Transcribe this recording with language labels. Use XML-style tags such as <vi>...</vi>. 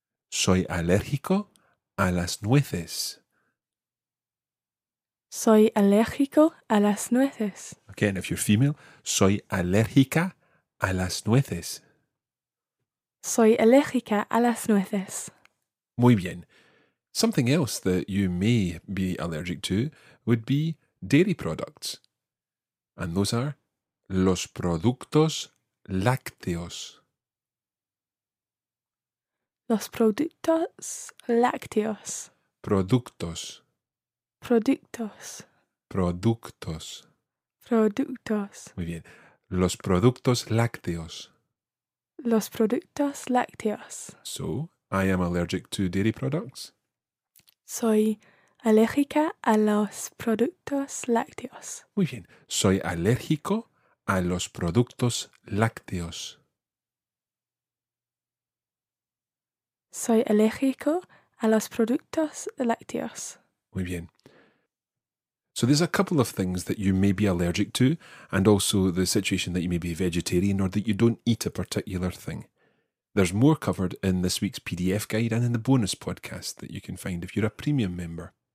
<es>Soy alérgico a las nueces. Soy alérgico a las nueces.</es> <en>Okay, and if you're female,</en> <es>soy alérgica a las nueces. Soy alérgica a las nueces. Muy bien.</es> <en>Something else that you may be allergic to would be dairy products. And those are</en> <es>los productos lácteos. Los productos lácteos. Productos. Productos. Productos. Productos. Muy bien. Los productos lácteos. Los productos lácteos.</es> <en>So, I am allergic to dairy products.</en> <es>Soy alérgica a los productos lácteos. Muy bien. Soy alérgico a los productos lácteos. Soy alérgico a los productos lácteos. Muy bien.</es> <en>So there's a couple of things that you may be allergic to, and also the situation that you may be vegetarian or that you don't eat a particular thing. There's more covered in this week's PDF guide and in the bonus podcast that you can find if you're a premium member.</en>